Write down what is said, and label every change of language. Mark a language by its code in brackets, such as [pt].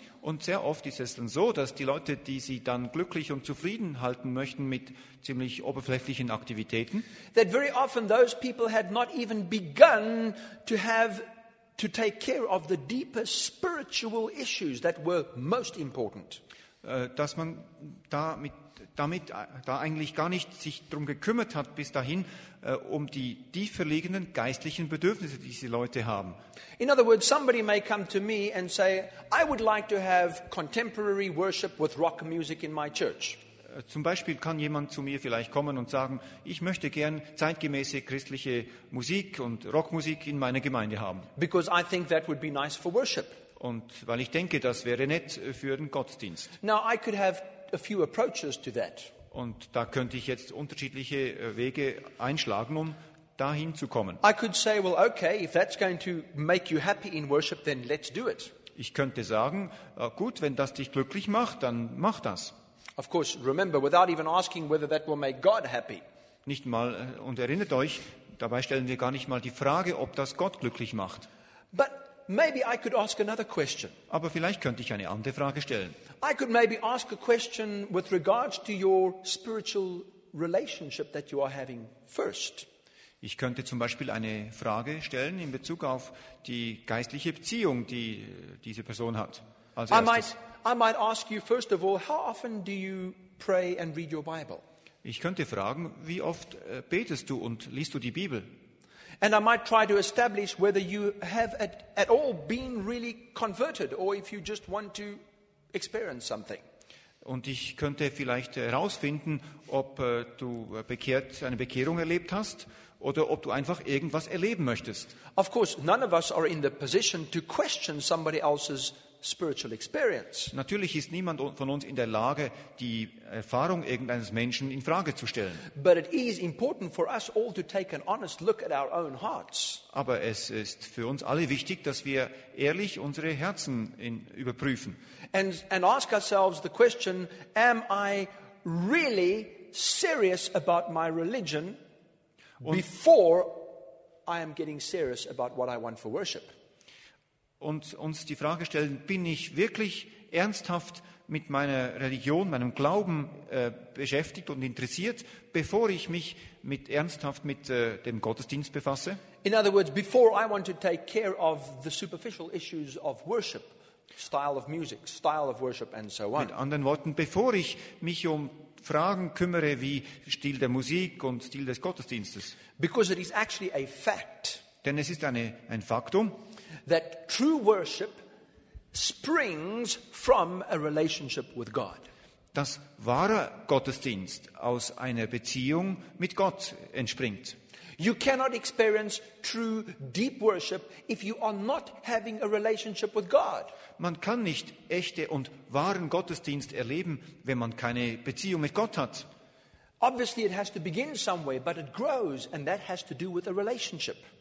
[de] Und sehr oft ist es dann so, dass die Leute, die sie dann glücklich und zufrieden halten möchten mit ziemlich oberflächlichen Aktivitäten, [en] that very often those people had not even begun to have to take care of the deeper spiritual issues that were most important. [de] Dass man da eigentlich gar nicht sich drum gekümmert hat bis dahin, um die tieferliegenden geistlichen Bedürfnisse, die diese Leute haben. [en] In other words, somebody may come to me and say, I would like to have contemporary worship with rock music in my church. [de] Zum Beispiel kann jemand zu mir vielleicht kommen und sagen, ich möchte gern zeitgemäße christliche Musik und Rockmusik in meiner Gemeinde haben. [en] Because I think that would be nice for worship. [de] Und weil ich denke, das wäre nett für den Gottesdienst. [en] Now I could have a few approaches to that. [de] Und da könnte ich jetzt unterschiedliche Wege einschlagen, um dahin zu kommen. [en] I could say, well, okay, if that's going to make you happy in worship, then let's do it. [de] Ich könnte sagen, gut, wenn das dich glücklich macht, dann mach das. [en] Of course, remember, without even asking whether that will make God happy. [de] Nicht mal, und erinnert euch, dabei stellen wir gar nicht mal die Frage, ob das Gott glücklich macht. [en] But maybe I could ask another question. [de] Aber vielleicht könnte ich eine andere Frage stellen. [en] I could maybe ask a question with regards to your spiritual relationship that you are having first. [de] Ich könnte zum Beispiel eine Frage stellen in Bezug auf die geistliche Beziehung, die diese Person hat. Als erstes. [en] I might ask you first of all, how often do you pray and read your Bible? [de] Ich könnte fragen, wie oft betest du und liest du die Bibel? [en] And I might try to establish whether you have at all been really converted or if you just want to experience something. [de] Und ich könnte vielleicht herausfinden, ob du bekehrt, eine Bekehrung erlebt hast oder ob du einfach irgendwas erleben möchtest. [en] Of course, none of us are in the position to question somebody else's spiritual experience. [de] Natürlich ist niemand von uns in der Lage, die Erfahrung irgendeines Menschen in Frage zu stellen. [en] But it is important for us all to take an honest look at our own hearts. [de] Aber es ist für uns alle wichtig, dass wir ehrlich unsere Herzen überprüfen. [en] And ask ourselves the question, am I really serious about my religion before I am getting serious about what I want for worship? [de] Und uns die Frage stellen, bin ich wirklich ernsthaft mit meiner Religion, meinem Glauben beschäftigt und interessiert, bevor ich mich ernsthaft mit dem Gottesdienst befasse? [en] In other words, before I want to take care of the superficial issues of worship, style of music, style of worship and so on. [de] Mit anderen Worten, bevor ich mich um Fragen kümmere wie Stil der Musik und Stil des Gottesdienstes. [en] Because it is actually a fact. [de] Denn es ist ein Faktum. [en] That true worship springs from a relationship with God. [de] Dass wahrer Gottesdienst aus einer Beziehung mit Gott entspringt. [en] You cannot experience true deep worship if you are not having a relationship with God. [de] Man kann nicht echte und wahren Gottesdienst erleben, wenn man keine Beziehung mit Gott hat. [en] Obviously it has to begin somewhere, but it grows and that has to do with a relationship.